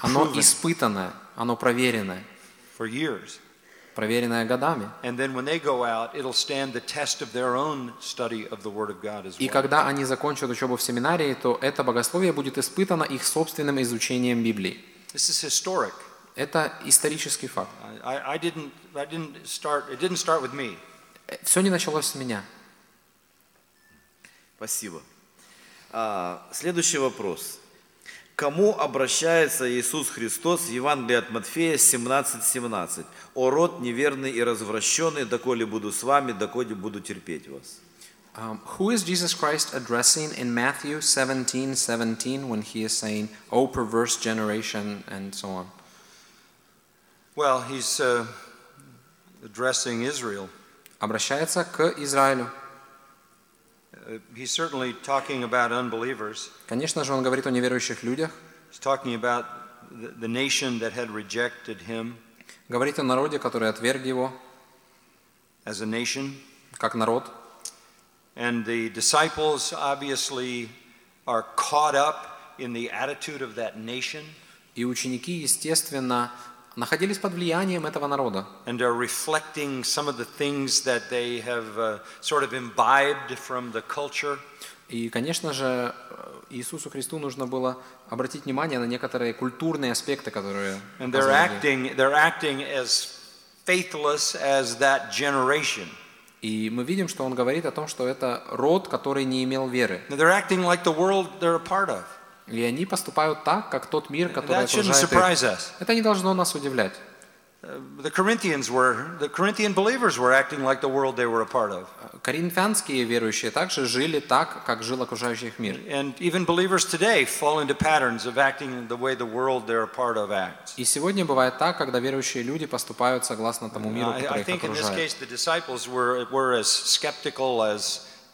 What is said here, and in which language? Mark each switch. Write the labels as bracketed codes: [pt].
[ru] Оно испытанное, оно проверенное. Проверенное годами. [en] And then when they go out, it'll stand the test of their own study of the Word of God as well. [ru] И когда они закончат учебу в семинарии, то это богословие будет испытано их собственным изучением Библии. [en] This is historic. [ru] Это исторический факт. [en] It didn't start with me. [ru] Все не началось с меня. Спасибо. Следующий вопрос. Кому обращается Иисус Христос в Евангелии от Матфея 17:17? О род неверный и развращенный, доколе буду с вами, доколе буду терпеть вас. [en] Who is Jesus Christ addressing in Matthew 17:17 when he is saying, O perverse generation, and so on? Well, he's addressing Israel. [ru] Обращается к Израилю. [en] He's certainly talking about unbelievers. [ru] Конечно же, он говорит о неверующих людях. [en] He's talking about the nation that had rejected him. [ru] Говорит о народе, который отверг его. [en] As a nation. [ru] Как народ. [en] And the disciples obviously are caught up in the attitude of that nation. [ru] И ученики, естественно, находились под влиянием этого народа. [en] And are reflecting some of the things that they have sort of imbibed from the culture. [ru] И, конечно же, Иисусу Христу нужно было обратить внимание на некоторые культурные аспекты, которые. [en] And they're acting as faithless as that generation. [ru] И мы видим, что он говорит о том, что это род, который не имел веры. [en] They're acting like the world they're a part of. [ru] И они поступают так, как тот мир, который окружает их. Это не должно нас удивлять. Коринфянские верующие также жили так, как жил окружающий их мир. И сегодня бывает так, когда верующие люди поступают согласно тому миру, который их окружает.